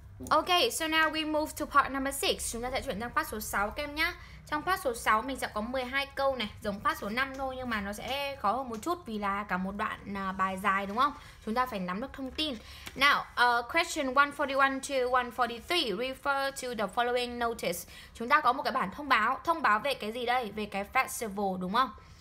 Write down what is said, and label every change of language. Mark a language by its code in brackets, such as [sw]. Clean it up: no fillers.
[vi] Ok, [en] so now we move to part number 6. [vi] Chúng ta sẽ chuyển sang part số 6 các em nhá. Trong part số 6 mình sẽ có 12 câu này, giống part số 5 thôi nhưng mà nó sẽ khó hơn một chút vì là cả một đoạn bài dài đúng không? Chúng ta phải nắm được thông tin. [en] Now, question 141 to 143 refer to the following notice. [vi] Chúng ta có một cái bản thông báo về cái gì đây? Về cái festival đúng không?